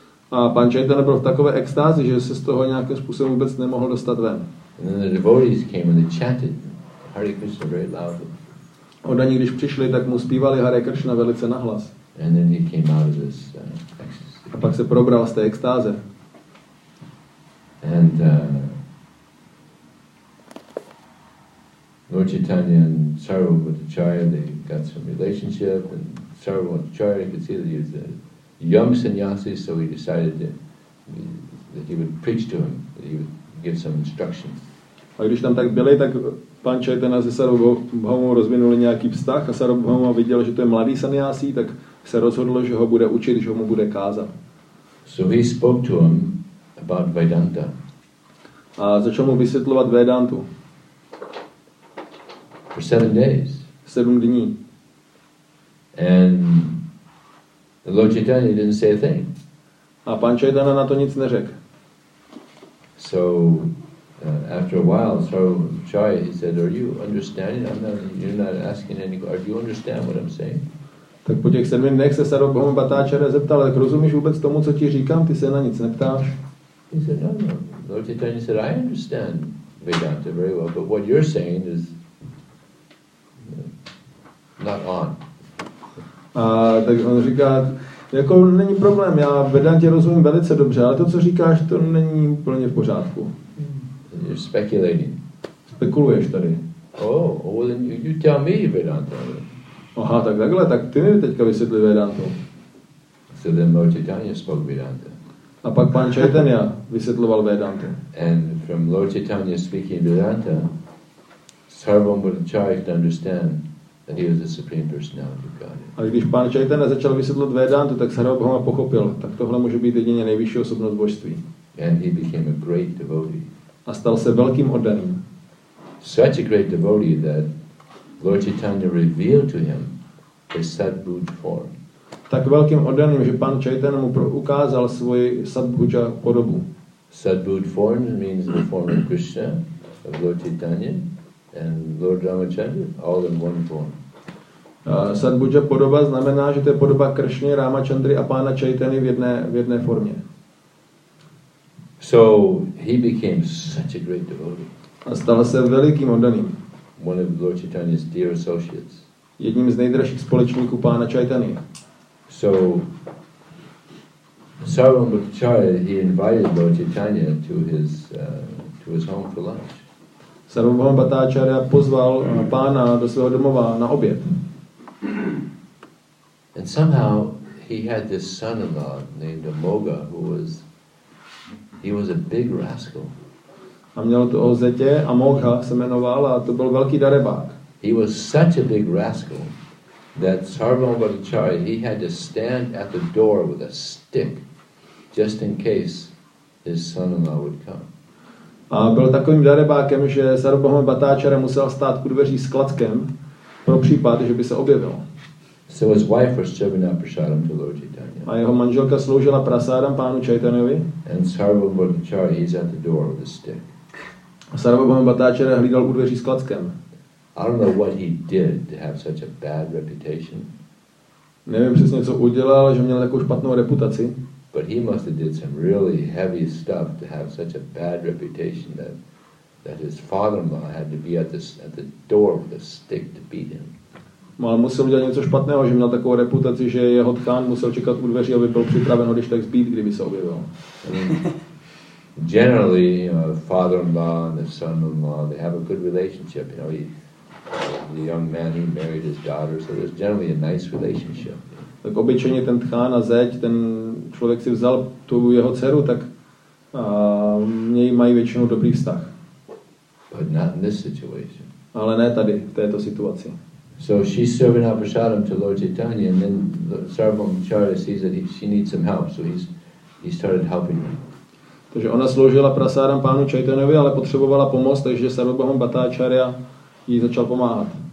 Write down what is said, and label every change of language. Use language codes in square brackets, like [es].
[cs] A pan Chaitanya byl v takové extázi, že se z toho nějakým způsobem vůbec nemohl dostat ven. [en] And then the devotees came and they chanted Hare Krishna very loudly. [cs] Oddaní, když přišli, tak mu zpívali Hare Krishna velice nahlas. [en] And then he came out of this ecstasy. [cs] A pak se probral z té extáze. [en] And Lord Chaitanya and Sarvabhauma Bhattacharya, they got some relationship, and Sarvabhauma Bhattacharya could see that he was a young sannyasi, so he decided that he would preach to him, that he would give some instruction. [cs] A když tam tak byli, tak pan Chaitanya se Sarvabhauma rozvinuli nějaký vztah a Sarvabhauma viděl, že to je mladý sannyasi, tak se rozhodl, že ho bude učit, že ho mu bude kázat. [en] So he spoke to him about Vedanta. [cs] A začal mu vysvětlovat Vedantu. [en] For 7 days. [cs] 7 dní. [en] And the Lord Chaitanya didn't say a thing. [cs] A pan Chaitanya na to nic neřekl. [en] So after a while, Sarvabhauma, he said, "Are you understanding? You're not asking any. Do you understand what I'm saying?" [cs] Tak po těch 7 dnech se Sarvabhauma Bhattacharya zeptal, jak rozumíš vůbec tomu, co ti říkám? Ty se na nic neptáš. [en] He said, "No." Lord Chaitanya said, "I understand Vedanta very well, but what you're saying is not on." [cs] A tak on říká, jako není problém, já Vedantě rozumím velice dobře, ale to, co říkáš, to není úplně v pořádku. [en] You're speculating. [cs] Spekuluješ tady. [en] Oh, well then you tell me Vedanta. [cs] Aha, tak takhle, tak ty mi teďka vysvětli Vedantu. [en] So then Lord Chaitanya spoke Vedanta. [cs] A pak pan Chaitanya vysvětloval Vedantu. [en] And from Lord Chaitanya speaking Vedanta, Sarvam Bhattacharya could understand that he was the supreme personality of God. [cs] A když pan Chaitanya začal vysvětlovat Vedantu, tak Sarvabhauma pochopil, tak tohle může být jedině nejvyšší osobnost božství. [en] And he became a great devotee. [cs] A stal se velkým oddaným. [en] Such a great devotee that Lord Chaitanya revealed to him his Sadbhuj form. [cs] Tak velkým oddaným, že pan Chaitanya mu ukázal svoji Sadbhuja podobu. [en] Sadbhuj form means the form of Krishna, of Lord Chaitanya and Lord Ramachandra, all in one form. [cs] Sadbhuja podoba znamená, že to je podoba Kršny, Ramachandry a pána Chaitany v jedné formě. [en] So he became such a great devotee. [cs] A stal se velikým oddaným. [en] One of Lord Chaitanya's dear associates. [cs] Jedním z nejdražších společníků pána Chaitany. [en] So Sarvabhauma Bhattacharya, he invited Lord Chaitanya to his home for lunch. [cs] Sarvabhauma Bhattacharya pozval pána do svého domova na oběd. [en] And somehow he had this son-in-law named Amoga who was a big rascal. [cs] A měl to o zetě, Amogha se jmenoval, a to byl velký darebák. [en] He was such a big rascal that Sarvabhauma Bhattacharya, he had to stand at the door with a stick just in case his son-in-law would come. [cs] A byl takovým darebákem, že Sarvabhauma Bhattacharya musel stát u dveří s klackem pro případ, že by se objevil. [en] So his wife was serving out prasadam to Lord Chaitanya. [cs] A jeho manželka sloužila prasadam pánu Chaitanyovi. [en] And Sarvabhauma Bhattacharya, he's at the door with a stick. [cs] Sarvabhauma Bhattacharya hlídal u dveří s klackem. [en] I don't know what he did to have such a bad reputation. [cs] Nevím přesně, co udělal, že měl takovou špatnou reputaci. [en] But he must have did some really heavy stuff to have such a bad reputation that his father-in-law had to be at the door with a stick to beat him. [cs] Ale musel udělat něco špatného, že měl takovou reputaci, že jeho tchán musel čekat u dveří, aby byl připraven, když tak zbít, kdyby se objevil. [en] Generally, father-in-law and the son-in-law, they have a good relationship. You know, the young man who married his daughter, so there's generally a nice relationship. [cs] Tak obyčejně ten tchán a zeď, ten člověk si vzal tu jeho dceru, tak měj mají většinou dobrý vztah. [en] But not in this situation. [cs] Ale ne tady, v této situaci. [en] So she's serving up a shadow to Lord Chaitanya, and then the servant Charya sees that she needs some help, so he started helping her. [cs] Takže ona sloužila prasádam pánu Chaitanyovi, ale potřebovala pomoc, takže Sarvabhaum Bhattacharya jí začal pomáhat.